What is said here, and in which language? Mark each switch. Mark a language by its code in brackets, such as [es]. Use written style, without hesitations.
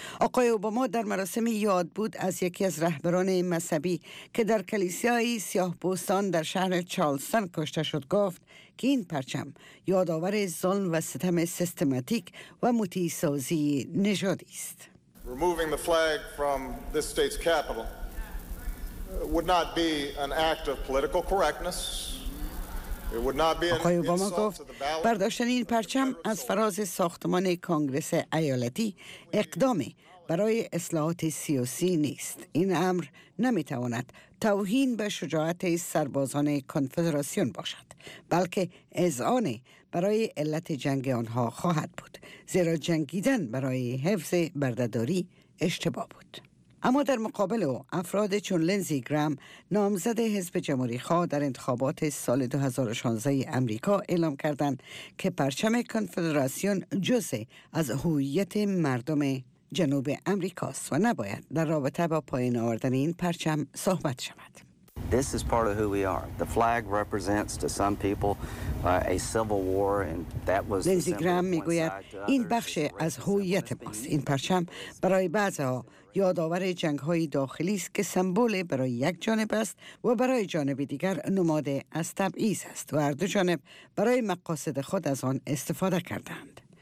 [fa] آقای اوباما در مراسم یاد بود از یکی از رهبران مذهبی که در کلیسای سیاه پوستان در شهر چارلستون کشته شد گفت که این پرچم یادآور ظلم و ستم سیستماتیک و مطیع سازی نژادی است. [en] Removing the flag from this state's capital would not be an act of political correctness. It would not be an insult to the ballot. [fa] برداشتن این پرچم از فراز ساختمان کنگرس ایالتی اقدامی برای اصلاحات سیاسی نیست. این امر نمیتواند توهین به شجاعت سربازان کنفدراسیون باشد، بلکه اذعان برای علت جنگ آنها خواهد بود، زیرا جنگیدن برای حفظ بردهداری اشتباه بود. اما در مقابل او، افراد چون لنزی گرام، نامزد حزب جمهوری‌خواه در انتخابات سال 2016 آمریکا، اعلام کردند که پرچم کنفدراسیون جزی از هویت مردم جنوب آمریکاست و نباید در رابطه با پایین آوردن این پرچم صحبت شود. [en] This is part of who we are. The flag represents to some people a civil war, and that was. [fa] لنزی گرام میگوید این بخش از هویت ماست. این پرچم برای بعضی‌ها یادآور جنگ‌های داخلی است که سمبل برای یک جانب است و برای جانب دیگر نماد از تبعیض است و هر دو جانب برای مقاصد خود از آن استفاده کردند.